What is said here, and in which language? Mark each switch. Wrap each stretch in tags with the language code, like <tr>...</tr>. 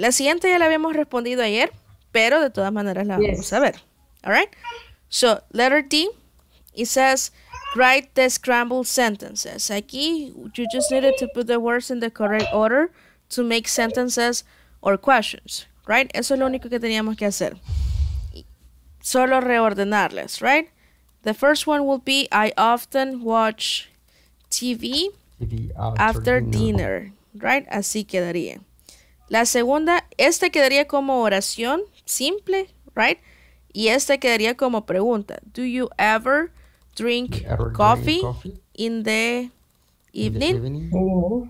<es>La siguiente ya la habíamos respondido ayer, pero de todas maneras la vamos a ver.</es> <en>All right? So, letter D, it says, write the scrambled sentences. Aquí, you just needed to put the words in the correct order to make sentences or questions, right?</en> <es>Eso es lo único que teníamos que hacer. solo reordenarles,</es> <en>right? The first one will be, I often watch TV after dinner, right?</en> <es>Así quedaría. La segunda, esta quedaría como oración simple, right? Y esta quedaría como pregunta.</es> <en>Do you ever drink, coffee, in the evening?</en>